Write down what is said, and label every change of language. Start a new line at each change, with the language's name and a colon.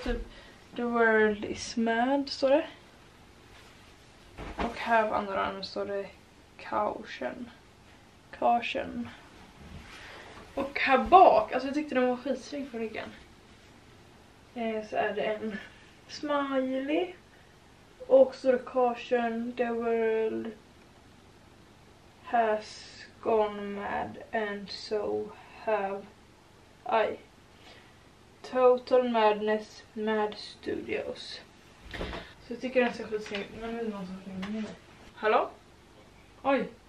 Swedish: Typ,
English: the world is mad
Swedish: står det. Och här på andra armen står det caution. Caution. Och här bak, alltså jag tyckte den var skitsnygg på ryggen. Så är det en smiley. Och så det caution,
English: the world has gone mad and so have I. Total Madness Mad Studios.
Swedish: Så jag tycker den ser skitsnygg ut, men det är någon som ringer mig. Hallå? Oj.